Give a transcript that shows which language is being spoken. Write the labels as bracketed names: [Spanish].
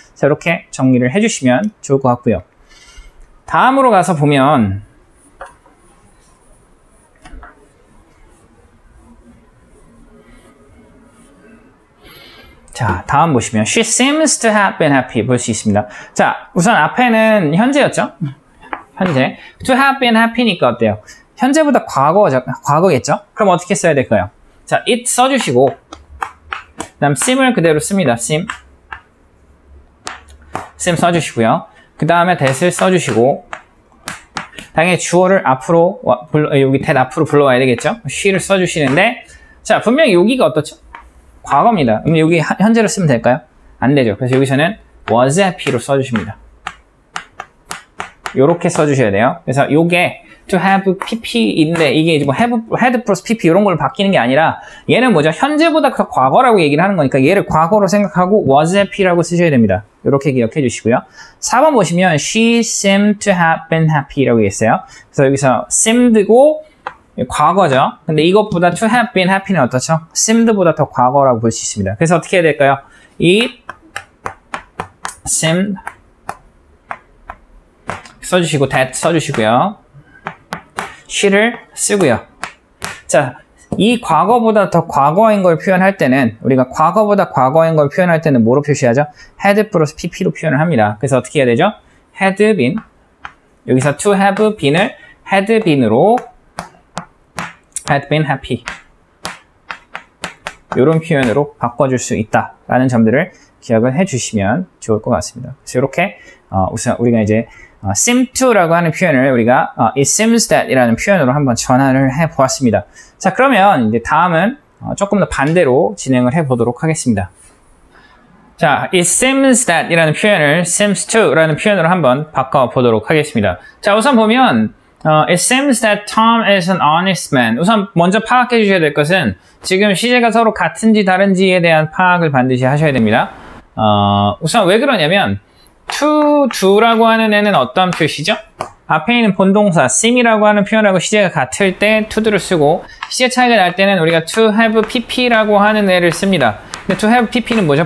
[Korean] 자, 이렇게 정리를 해 주시면 좋을 것 같고요. 다음으로 가서 보면 자, 다음 보시면 [English] she seems to have been happy [Korean] 볼 수 있습니다. 자, 우선 앞에는 현재였죠? 현재 [English] to have been happy [Korean] 니까 어때요? 현재보다 과거겠죠? 그럼 어떻게 써야 될까요? 자, it 써주시고 그 다음 sim을 그대로 씁니다. sim 써주시고요. 그 다음에 that을 써주시고 당연히 주어를 앞으로 여기 that 앞으로 불러와야 되겠죠? she를 써주시는데 자, 분명히 여기가 어떻죠? 과거입니다. 그럼 여기 현재로 쓰면 될까요? 안 되죠. 그래서 여기서는 was happy로 써주십니다. 요렇게 써주셔야 돼요. 그래서 요게 to have pp인데 이게 이제 뭐 head plus pp 이런 걸로 바뀌는 게 아니라 얘는 뭐죠? 현재보다 더 과거라고 얘기를 하는 거니까 얘를 과거로 생각하고 was happy라고 쓰셔야 됩니다. 요렇게 기억해 주시고요. 4번 보시면 [English] she seemed to have been happy [Korean] 라고 했어요. 그래서 여기서 seemed고 과거죠. 근데 이것보다 [English] to have been happy [Korean] 는 어떻죠? seemed보다 더 과거라고 볼 수 있습니다. 그래서 어떻게 해야 될까요? [English] it seemed [Korean] 써주시고 that 써주시고요. she를 쓰고요. 자, 이 과거보다 더 과거인 걸 표현할 때는 우리가 과거보다 과거인 걸 표현할 때는 뭐로 표시하죠? had plus pp로 표현을 합니다. 그래서 어떻게 해야 되죠? had been 여기서 to have been을 had been으로 [English] had been happy [Korean] 이런 표현으로 바꿔줄 수 있다라는 점들을 기억을 해주시면 좋을 것 같습니다. 그래서 이렇게 우선 우리가 이제 seem to라고 하는 표현을 우리가 [English] it seems that [Korean] 이라는 표현으로 한번 전환을 해보았습니다. 자, 그러면 이제 다음은 조금 더 반대로 진행을 해보도록 하겠습니다. 자, [English] it seems that [Korean] 이라는 표현을 seems to라는 표현으로 한번 바꿔보도록 하겠습니다. 자, 우선 보면 [English] it seems that Tom is an honest man. [Korean] 우선 먼저 파악해 주셔야 될 것은 지금 시제가 서로 같은지 다른지에 대한 파악을 반드시 하셔야 됩니다. 우선 왜 그러냐면 to라고 하는 애는 어떤 표시죠? 앞에 있는 본동사 seem이라고 하는 표현하고 시제가 같을 때 to를 쓰고 시제 차이가 날 때는 우리가 to have pp라고 하는 애를 씁니다. 근데 to have PP는 뭐죠?